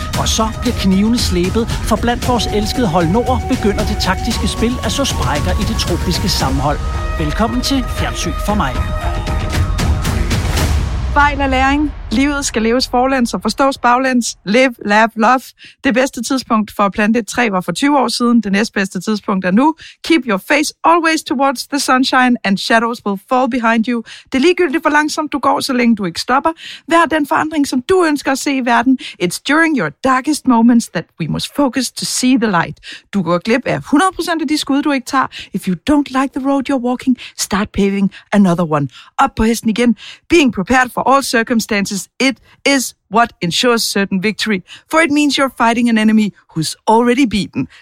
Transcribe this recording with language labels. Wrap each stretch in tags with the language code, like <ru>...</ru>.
<da>Og så bliver knivene slebet, for blandt vores elskede hold nord begynder det taktiske spil at så sprækker i det tropiske sammenhold. Velkommen til Fjernsyn for mig. Fejl og læring. Livet skal leves forlæns og forstås baglæns. Live, laugh, love. Det bedste tidspunkt for at plante et træ var for 20 år siden. Det næstbedste tidspunkt er nu.</da> <en>Keep your face always towards the sunshine, and shadows will fall behind you.</en> <da>Det er ligegyldigt, hvor langsomt du går, så længe du ikke stopper. Vær den forandring, som du ønsker at se i verden.</da> <en>It's during your darkest moments that we must focus to see the light.</en> <da>Du går glip af 100% af de skud, du ikke tager.</da> <en>If you don't like the road you're walking, start paving another one.</en> <da>Op på hesten igen.</da> <en>Being prepared for all circumstances. It is what ensures certain victory, for it means you're fighting an enemy who's already beaten.</en>